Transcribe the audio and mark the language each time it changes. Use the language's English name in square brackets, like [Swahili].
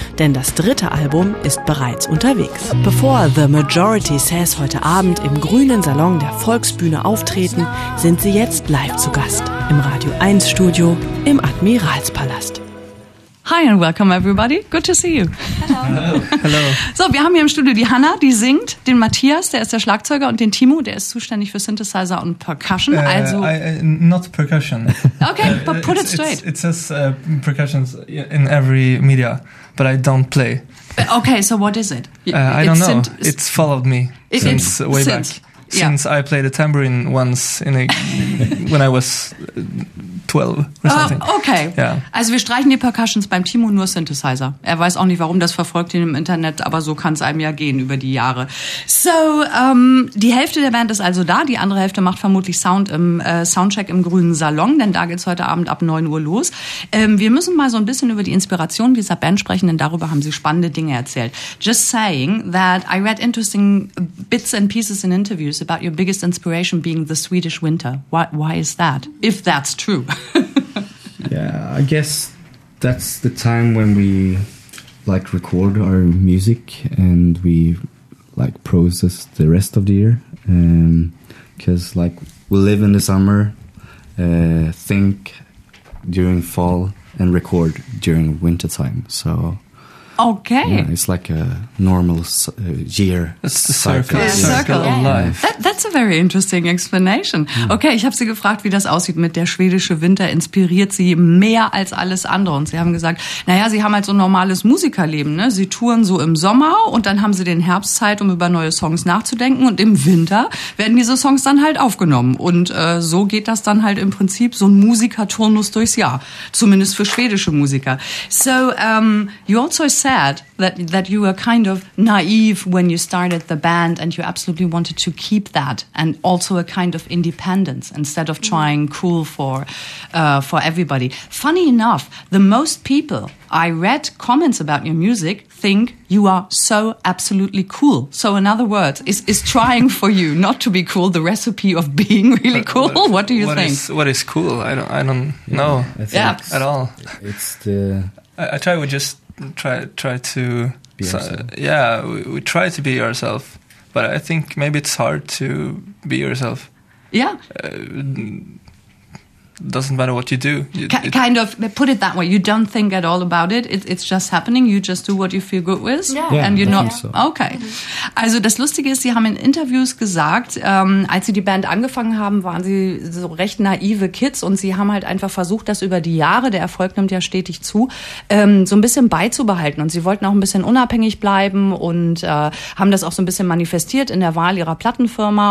[German] Denn das dritte Album ist bereits unterwegs. Bevor The Majority Says heute Abend im grünen Salon der Volksbühne auftreten, sind sie jetzt live zu Gast im Radio 1 Studio im Admiralspalast. [English] Hi and welcome everybody. Good to see you. Hello. Hello. [German] So, wir haben hier im Studio die Hanna, die singt, den Matthias, der ist der Schlagzeuger, und den Timo, der ist zuständig für Synthesizer und Percussion. [English] Also not percussion. Okay, but put it straight. It says percussions in every media, but I don't play. Okay, so what is it? I don't know. It's followed me since way back. Since I played a tambourine once when I was 12 or something. Okay. Yeah. [German] Also wir streichen die Percussions beim Timo, nur Synthesizer. Er weiß auch nicht, warum, das verfolgt ihn im Internet, aber so kann es einem ja gehen über die Jahre. So, die Hälfte der Band ist also da, die andere Hälfte macht vermutlich Sound im Soundcheck im grünen Salon, denn da geht's heute Abend ab 9 Uhr los. Wir müssen mal so ein bisschen über die Inspiration dieser Band sprechen, denn darüber haben sie spannende Dinge erzählt. [English] Just saying that I read interesting bits and pieces in interviews about your biggest inspiration being the Swedish winter. Why is that? If that's true. Yeah, I guess that's the time when we like record our music and we like process the rest of the year, because like we live in the summer, think during fall and record during winter time. So okay, yeah, it's like a normal year. It's the circle of life. That's a very interesting explanation. [German] Okay, ich habe sie gefragt, wie das aussieht mit der schwedische Winter. Inspiriert sie mehr als alles andere? Und sie haben gesagt, naja, sie haben halt so ein normales Musikerleben. Ne? Sie touren so im Sommer und dann haben sie den Herbst Zeit, um über neue Songs nachzudenken. Und im Winter werden diese Songs dann halt aufgenommen. Und so geht das dann halt im Prinzip, so ein Musikerturnus durchs Jahr. Zumindest für schwedische Musiker. [English] So, you also said that you were kind of naive when you started the band and you absolutely wanted to keep that, and also a kind of independence instead of trying cool for everybody. Funny enough, the most people I read comments about your music think you are so absolutely cool. So in other words, is trying for you not to be cool the recipe of being really cool? What do you think? What is cool? I don't know. Yeah, at all. It's the we try to be ourselves. But I think maybe it's hard to be yourself. Yeah. Doesn't matter what you do. Kind of, put it that way, you don't think at all about it. It's just happening. You just do what you feel good with. Yeah. And you're not. So. Okay. [German] Also das Lustige ist, Sie haben in Interviews gesagt, als Sie die Band angefangen haben, waren Sie so recht naive Kids und Sie haben halt einfach versucht, das über die Jahre, der Erfolg nimmt ja stetig zu, so ein bisschen beizubehalten. Und Sie wollten auch ein bisschen unabhängig bleiben und haben das auch so ein bisschen manifestiert in der Wahl Ihrer Plattenfirma.